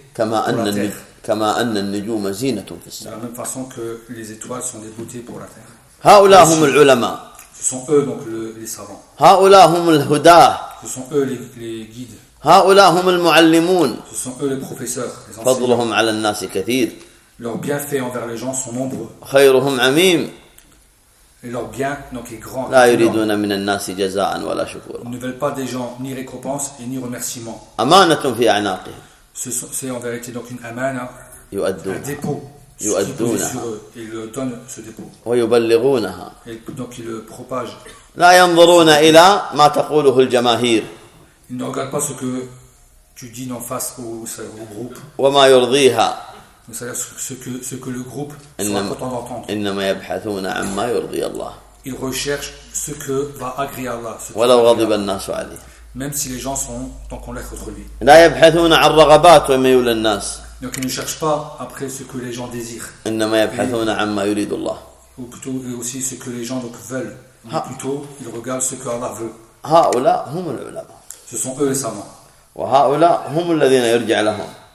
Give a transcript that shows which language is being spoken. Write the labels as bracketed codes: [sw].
[ar] كما أن كما أن النجوم زينة في السماء. [fr] De la même façon que les étoiles sont des beautés pour la terre. [ar] هؤلاء هم العلماء. [fr] Ce sont eux donc les savants. [ar] هؤلاء هم الهداة. [fr] Ce sont eux les guides. [ar] هؤلاء هم المعلمون. [fr] Ce sont eux les professeurs. [ar] فضلهم على الناس كثير. [fr] Leurs bienfaits envers les gens sont nombreux. [ar] خيرهم عميم. [fr] Et leur bien donc est grand. [ar] لا يريدون من الناس جزاء ولا شكورا. [fr] Ne veulent pas des gens ni récompense et ni remerciement. [ar] أمانة في أعناقهم. [fr] C'est en vérité donc une amana, [ar] يؤدونها. [fr] Un dépôt qu'ils posent sur eux. Et ils le donnent ce dépôt. [ar] ويبلغونها. [fr] Et donc ils le propagent. [ar] لا ينظرون إلى ما تقوله الجماهير. [fr] Ils ne regardent pas ce que tu dis en face au groupe. [ar] وما يرضيها. [fr] Mais c'est-à-dire ce que le groupe soit content d'entendre. [ar] إنما يبحثون عن ما يرضي الله. [fr] Ils recherchent ce que va agréer Allah. [ar] ولو غضب الناس عليه. [fr] Même si les gens sont en colère contre lui. [ar] لا يبحثون عن رغبات وما يولى الناس. [fr] Donc ils ne cherchent pas après ce que les gens désirent. [ar] إنما يبحثون عن ما يريد الله. [fr] Ou plutôt aussi ce que les gens donc veulent. Mais plutôt ils regardent ce que Allah veut. [ar] هؤلاء هم العلماء. [fr] Ce sont eux les savants. [ar] وهؤلاء هم الذين يرجع لهم.